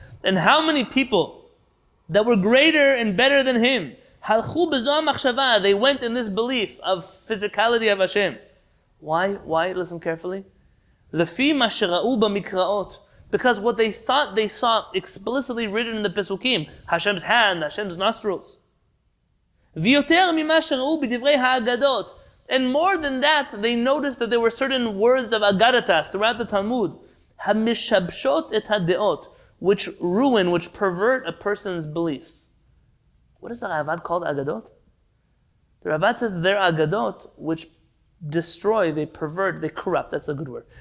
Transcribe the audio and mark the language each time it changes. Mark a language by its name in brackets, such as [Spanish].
[English] And how many people that were greater and better than him, [Hebrew] הלכו בזו המחשבה, [English] they went in this belief of physicality of Hashem. Why? Listen carefully. [Hebrew] לפי מה שראו במקראות. [English] Because what they thought they saw explicitly written in the Pesukim, Hashem's hand, Hashem's nostrils. [Hebrew] ויותר ממה שראו בדברי האגדות. [English] And more than that, they noticed that there were certain words of Agadata throughout the Talmud, [Hebrew] Hamishabshot et ha-deot, [English] which ruin, which pervert a person's beliefs. What is the Ravad called Agadot? The Ravad says they're Agadot, which destroy, they pervert, they corrupt, that's a good word.